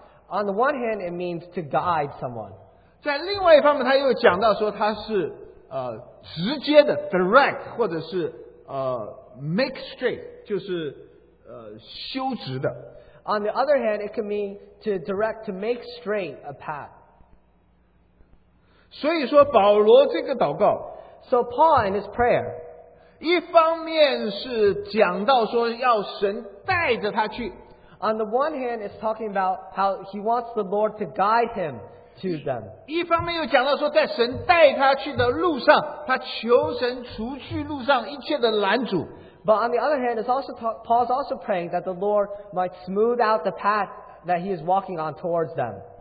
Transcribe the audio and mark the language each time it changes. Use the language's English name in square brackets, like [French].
[English] On the one hand, it means to guide someone. [Chinese] 在另外一方面，他又讲到说他是直接的direct，或者是 [English] make straight， [Chinese] 就是修直的。 [English] On the other hand, it can mean to direct, to make straight a path. [Chinese] 所以说保罗这个祷告, [English] so Paul in his prayer, [Chinese] 一方面是讲到说要神带着他去, [English] on the one hand it's talking about how he wants the Lord to guide him to them, [Chinese] 一方面又讲到说在神带他去的路上, 他求神除去路上一切的拦阻, [English] but on the other hand it's also, Paul's also praying that the Lord might smooth out the path that he is walking on towards them,